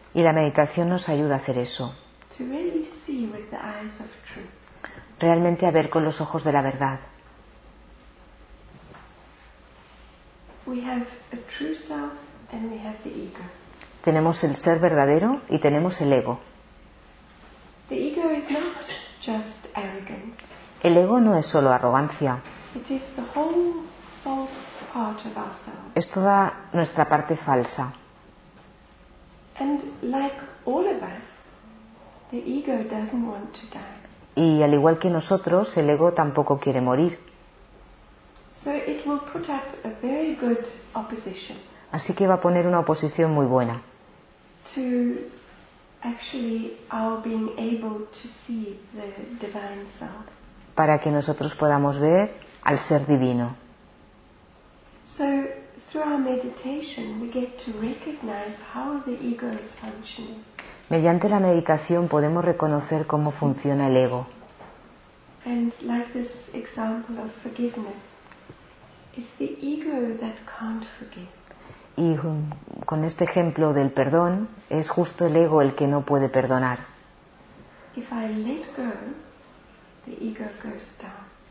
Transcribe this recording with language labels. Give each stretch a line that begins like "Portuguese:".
Spanish: Y la meditación nos ayuda a hacer eso.
English: To really see with the eyes of truth.
Spanish: Realmente a ver con los ojos de la verdad.
English: We have a true self and we have the ego.
Spanish: Tenemos el ser verdadero y tenemos el ego.
English: The ego is not just arrogance.
Spanish: El ego no es solo arrogancia.
English: It is the whole false part of ourselves.
Spanish: Es toda nuestra parte falsa.
English: And like all of us, the ego doesn't want to die.
Spanish: Y al igual que nosotros, el ego tampoco quiere morir.
English: So it will put up a very good opposition.
Spanish: Así que va a poner una oposición muy buena.
English: To actually our being able to see the divine self.
Spanish: Para que nosotros podamos ver al ser divino.
English: So, through our meditation, we get to recognize how the ego is functioning.
Spanish: Mediante la meditación podemos reconocer cómo funciona el ego.
English: And like this example of forgiveness, it's the ego that can't forgive.
Spanish: Y con este ejemplo del perdón, es justo el ego el que no puede perdonar.
English: If I let go, the ego goes down.